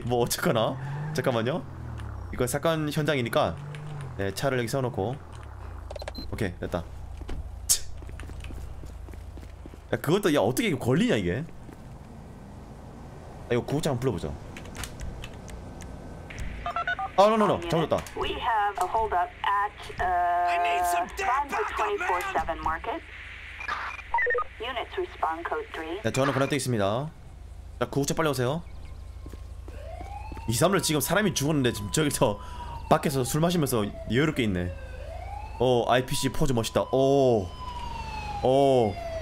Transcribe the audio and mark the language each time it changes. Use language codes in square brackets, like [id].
[ko] 뭐 어쨌거나 잠깐만요. 이거 사건 현장이니까 네, 차를 여기 세워놓고 오케이 됐다. 야, 그것도 야 어떻게 이거 걸리냐 이게. 아, 이거 구급차 한번 불러보죠. 아, 노노노. 잘못했다. [en] We have a hold up at I need some damn backup, man. Units respond code 3. [ko] 네, 전화 보내 드리 있습니다. 자, 구급차 빨리 오세요. 이 사람들 지금 사람이 죽었는데 지금 저기서 밖에서 술 마시면서 여유롭게 있네. 오, IPC 포즈 멋있다. 오. 오.